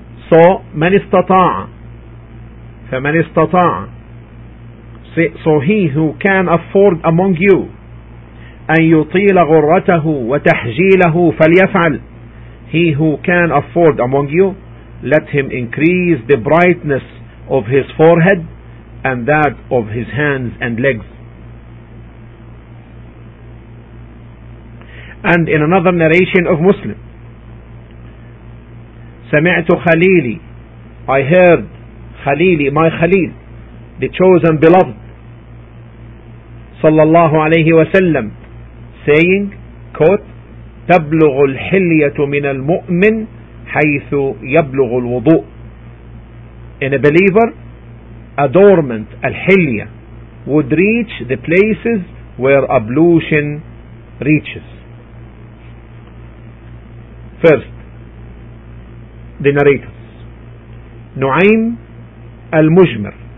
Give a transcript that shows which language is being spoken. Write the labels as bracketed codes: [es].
[en] So man istata'a, [ar] فمن استطاع, [en] so he who can afford among you [ar] أن يطيل غرته وتحجيله فليفعل. [en] He who can afford among you, let him increase the brightness of his forehead and that of his hands and legs. And in another narration of Muslim, [ar] سمعت خليلي, [en] I heard خليلي, my خليل, the chosen beloved [ar] صلى الله عليه وسلم, [en] saying, quote, [ar] تبلغ الحلية من المؤمن حيث يبلغ الوضوء. [en] In a believer, adornment, الحلية, would reach the places where ablution reaches. First, the narrators. Nu'aym al-Mujmir.